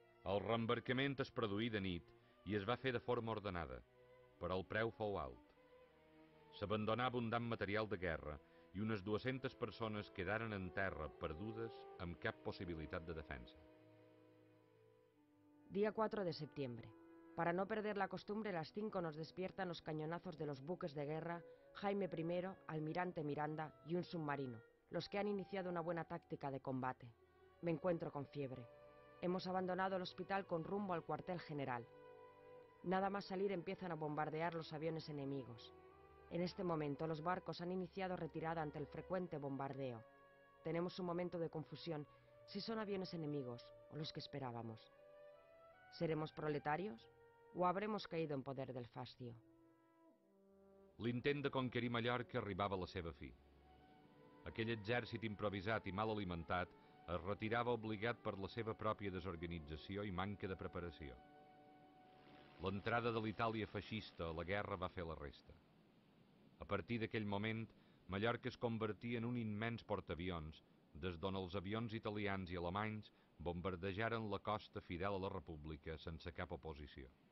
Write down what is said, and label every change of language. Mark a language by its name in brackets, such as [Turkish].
[Catalan] El reembarcament es produí de nit i es va fer de forma ordenada, però el preu fou alt. S'abandonà abundant material de guerra i unes 200 persones quedaren en terra perdudes amb cap possibilitat de defensa. [Spanish] Día 4 de septiembre. Para no perder la costumbre, las 5 nos despiertan los cañonazos de los buques de guerra, Jaime I, Almirante Miranda y un submarino, los que han iniciado una buena táctica de combate. Me encuentro con fiebre. Hemos abandonado el hospital con rumbo al cuartel general. Nada más salir empiezan a bombardear los aviones enemigos. En este momento los barcos han iniciado retirada ante el frecuente bombardeo. Tenemos un momento de confusión si son aviones enemigos o los que esperábamos. ¿Seremos proletarios o habremos caído en poder del fascio? [Catalan] L'intent de conquerir Mallorca arribava a la seva fi. Aquell exèrcit improvisat i mal alimentat es retirava obligat per la seva pròpia desorganització i manca de preparació. L'entrada de l'Itàlia feixista a la guerra va fer la resta. A partir d'aquell moment, Mallorca es convertia en un immens portaavions, des d'on els avions italians i alemanys bombardejaren la costa fidel a la República sense cap oposició.